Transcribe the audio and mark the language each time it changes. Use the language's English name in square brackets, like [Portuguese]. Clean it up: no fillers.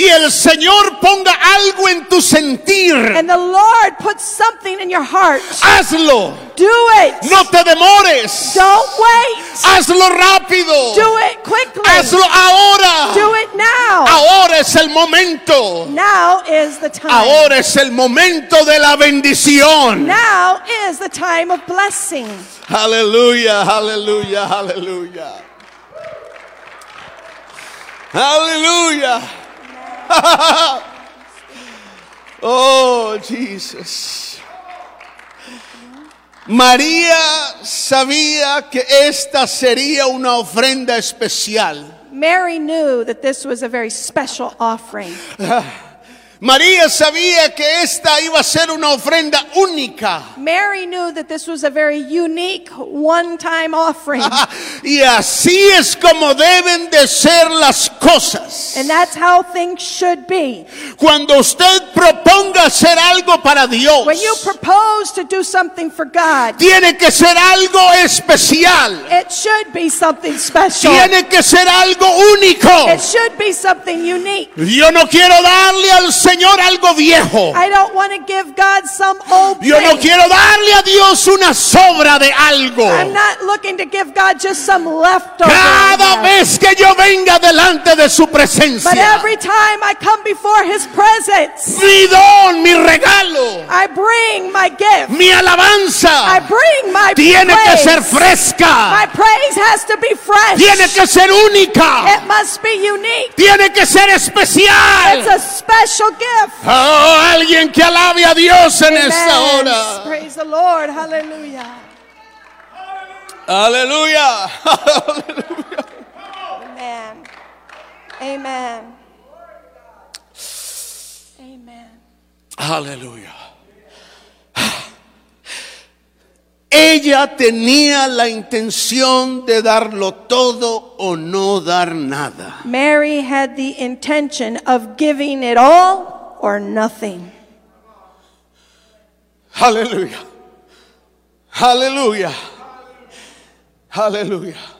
[Spanish] y el Señor ponga algo en tu sentir, [English] and the Lord puts something in your heart, [Spanish] hazlo. [English] Do it. [Spanish] No te demores. [English] Don't wait. [Spanish] Hazlo rápido. [English] Do it quickly. [Spanish] Hazlo ahora. [English] Do it now. [Spanish] Ahora es el momento. [English] Now is the time. [Spanish] Ahora es el momento de la bendición. [English] Now is the time of blessing. Hallelujah, hallelujah, hallelujah. Hallelujah. Oh, Jesus. [Spanish] María sabía que esta sería una ofrenda especial. [English] Mary knew that this was a very special offering. [Spanish] María sabía que esta iba a ser una ofrenda única. [English] Mary knew that this was a very unique one-time offering. [Spanish] Y así es como deben de ser las cosas. [English] And that's how things should be. [Spanish] Cuando usted proponga hacer algo para Dios, [English] when you propose to do something for God, [Spanish] tiene que ser algo especial. [English] It should be something special. [Spanish] Tiene que ser algo único. [English] It should be something unique. [Spanish] Yo no quiero darle al Señor algo viejo. [English] I don't want to give God some old thing. [Spanish] Yo no quiero darle a Dios una sobra de algo. [English] I'm not looking to give God just some leftover. [Spanish] Cada vez que yo venga delante de su presencia, [English] but every time I come before his presence, [Spanish] mi don, mi regalo, [English] I bring my gift, [Spanish] mi alabanza, [English] I bring my [Spanish] tiene [English] praise, [Spanish] tiene que ser fresca, [English] my praise has to be fresh, [Spanish] tiene que ser única, [English] it must be unique, [Spanish] tiene que ser especial, [English] it's a special gift. [Spanish] Oh, alguien que alabe a Dios en esta hora. [English] Praise the Lord. Hallelujah. Hallelujah. Amen. Amen. Amen. Hallelujah. [Spanish] Ella tenía la intención de darlo todo o no dar nada. [English] Mary had the intention of giving it all or nothing. Hallelujah. Hallelujah. Hallelujah.